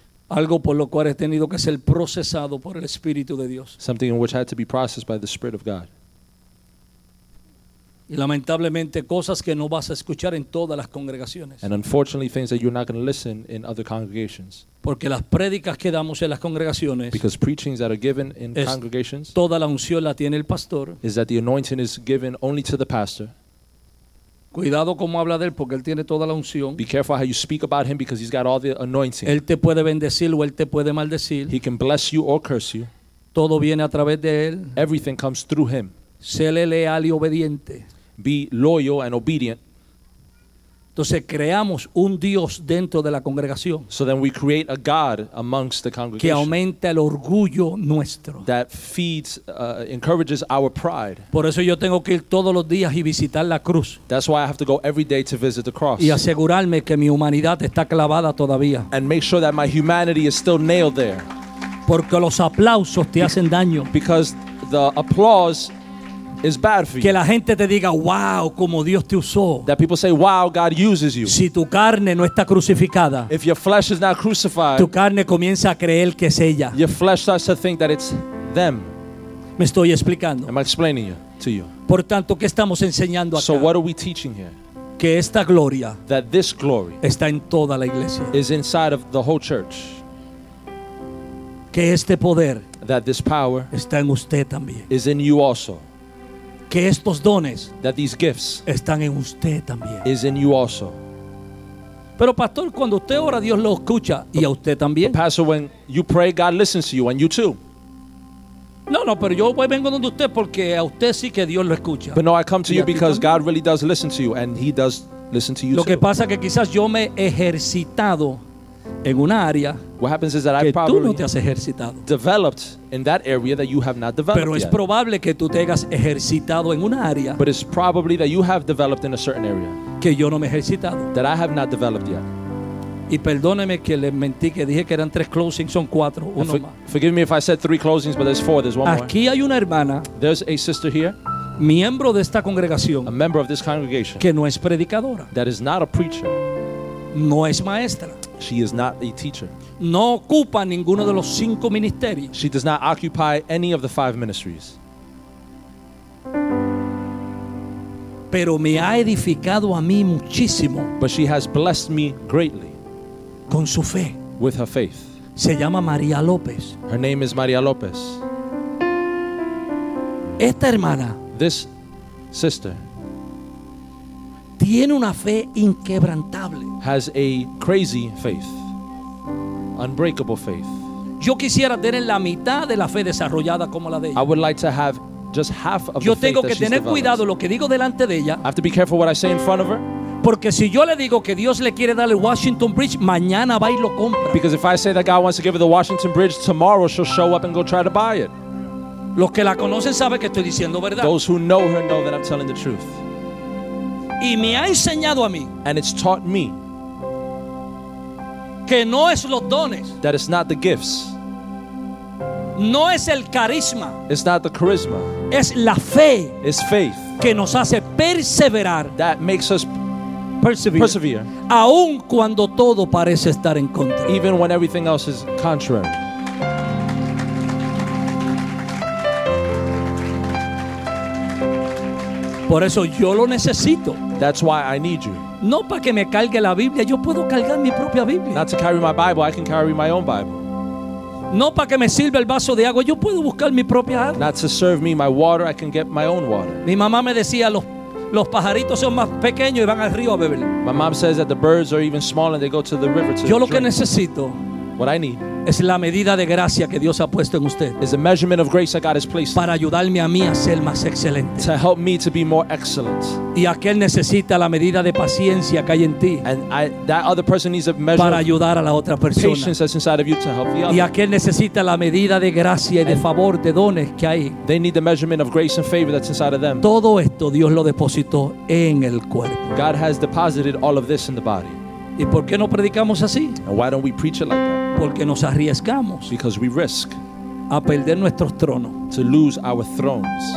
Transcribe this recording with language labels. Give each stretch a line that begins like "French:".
Spanish: Algo por lo cual he tenido que ser procesado por el Espíritu de Dios.
English: Something in which I had to be processed by the Spirit of God.
Spanish: Y lamentablemente cosas que no vas a escuchar en todas las congregaciones.
English: And unfortunately things that you're not going to listen in other congregations.
Spanish: Porque las prédicas que damos en las congregaciones.
English: Because preachings that are given in congregations.
Spanish: Toda la unción la tiene el pastor.
English: Is that the anointing is given only to the pastor.
Spanish: Cuidado cómo habla de él porque él tiene toda la unción.
English: Be careful how you speak about him because he's got all the anointing.
Spanish: Él te puede bendecir o él te puede maldecir.
English: He can bless you or curse you.
Spanish: Todo viene a través de él.
English: Everything comes through him.
Spanish: Séle leal y obediente.
English: Be loyal and obedient.
Spanish: Entonces creamos un Dios dentro de la congregación.
English: So then we create a God amongst the congregation.
Spanish: Que aumenta el orgullo nuestro.
English: That feeds, encourages our pride.
Spanish: Por eso yo tengo que ir todos los días y visitar la cruz.
English: That's why I have to go every day to visit the cross.
Spanish: Y asegurarme que mi humanidad está clavada todavía.
English: And make sure that my humanity is still nailed there.
Spanish: Porque los aplausos te hacen daño.
English: Because the applause is bad for you.
Spanish: Que la gente te diga, wow, como Dios te usó.
English: That people say, wow, God uses you.
Spanish: Si tu carne no está crucificada,
English: if your flesh is not crucified,
Spanish: tu carne comienza a creer que es ella.
English: Your flesh starts to think that it's them.
Spanish: Me estoy explicando.
English: Am I explaining you, to you?
Spanish: Por tanto, ¿qué estamos enseñando acá?
English: So what are we teaching here?
Spanish: Que esta gloria,
English: that this glory,
Spanish: está en toda la iglesia,
English: is inside of the whole church.
Spanish: Que este poder,
English: that this power,
Spanish: está en usted también,
English: is in you also.
Spanish: Que estos dones,
English: that these gifts,
Spanish: están en usted también,
English: is in you also.
Spanish: Pero pastor, cuando usted ora, Dios lo escucha, y a usted también.
English: But pastor, when you pray, God listens to you, and you too.
Spanish: No, no, pero yo vengo donde usted porque a usted sí que Dios lo escucha.
English: But no, I come to you because God really does listen to you, and He does listen to you too.
Spanish: Lo que pasa que quizás yo me he ejercitado en una área.
English: What happens is that I probably
Spanish: no te has ejercitado.
English: Developed in that area that you have not developed.
Spanish: Pero es probable que tú te hayas ejercitado en una área.
English: But it's probably that you have developed in a certain area.
Spanish: Que yo no me he ejercitado.
English: That I have not developed yet.
Spanish: Y perdóneme que le mentí, que dije que eran tres closings, son cuatro, uno más.
English: Forgive me if I said three closings, but there's four, there's one
Spanish: aquí
English: more.
Spanish: Aquí hay una hermana.
English: There's a sister here.
Spanish: Miembro de esta congregación.
English: A member of this congregation.
Spanish: Que no es predicadora.
English: That is not a preacher.
Spanish: No es maestra.
English: She is not a teacher.
Spanish: No ocupa ninguno de los cinco ministerios.
English: She does not occupy any of the five ministries.
Spanish: Pero me ha edificado a mí muchísimo.
English: But she has blessed me greatly.
Spanish: Con su fe.
English: With her faith.
Spanish: Se llama María López.
English: Her name is María López.
Spanish: Esta hermana,
English: this sister,
Spanish: tiene una fe inquebrantable.
English: Has a crazy faith. Unbreakable faith.
Spanish: Yo quisiera tener la mitad de la fe desarrollada como la de ella.
English: I would like to have just half of the faith that she's developed.
Spanish: que tener cuidado lo que digo delante de ella.
English: I have to be careful what I say in front of her.
Spanish: Porque si yo le digo que Dios le quiere dar el Washington Bridge, mañana va y lo compra.
English: Because if I say that God wants to give her the Washington Bridge, tomorrow she'll show up and go try to buy it.
Spanish: Los que la conocen saben que estoy diciendo verdad.
English: Those who know her know that I'm telling the truth.
Spanish: Y me ha enseñado a mí.
English: And it's taught me.
Spanish: Que no es los dones.
English: That it's not the gifts.
Spanish: No es el carisma.
English: It's not the charisma.
Spanish: Es la fe.
English: It's faith.
Spanish: Que nos hace perseverar.
English: That makes us persevere.
Spanish: Aun cuando todo parece estar en contra.
English: Even when everything else is contrary.
Spanish: Por eso yo lo necesito.
English: That's why I need you.
Spanish: No para que me cargue la Biblia, yo puedo cargar mi propia Biblia.
English: Not to carry my Bible, I can carry my own Bible.
Spanish: No para que me sirva el vaso de agua, yo puedo buscar mi propia agua.
English: Not to serve me my water, I can get my own water.
Spanish: Mi mamá me decía, los pajaritos son más pequeños y van al río a beber.
English: My mom says that the birds are even smaller and they go to the river to drink.
Spanish: Yo lo que necesito,
English: what I need,
Spanish: es la medida de gracia que Dios ha puesto en usted.
English: Is the measurement of grace that God has placed.
Spanish: Para ayudarme a mí a ser más excelente.
English: To help me to be more excellent.
Spanish: Y aquel necesita la medida de paciencia que hay en ti.
English: And that other person needs a measure.
Spanish: Para ayudar a la otra persona.
English: Patience that's inside of you to help the other.
Spanish: Y aquel necesita la medida de gracia y de favor, de dones que hay.
English: They need the measurement of grace and favor that's inside of them.
Spanish: Todo esto Dios lo depositó en el cuerpo.
English: God has deposited all of this in the body.
Spanish: ¿Y por qué no predicamos así?
English: And why don't we preach it like that?
Spanish: Porque nos arriesgamos.
English: Because we risk
Spanish: a perder nuestros tronos.
English: To lose our thrones.